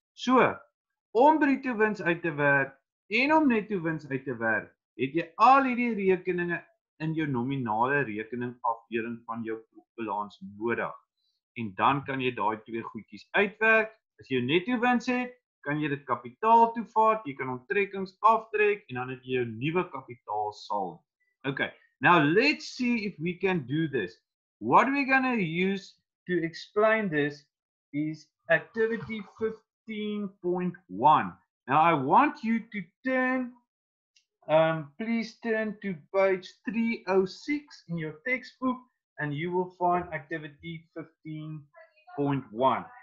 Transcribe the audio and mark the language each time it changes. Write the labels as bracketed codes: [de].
[af] So, om bruto wins uit te werk, en om netto wins uit te werk, het jy al hierdie rekeninge in jou nominale rekening afdeling van jou proefbalans nodig. En dan kan jy daai twee goedjies uitwerk. As jy jou netto wins het, kan jy dit kapitaal toevat, jy kan onttrekkings aftrek, en dan het jy jou nuwe kapitaal saldo. [en] Ok, now let's see if we can do this. What we're going to use to explain this is activity 15.1. Now I want you to turn, please turn to page 306 in your textbook, and you will find activity 15.1.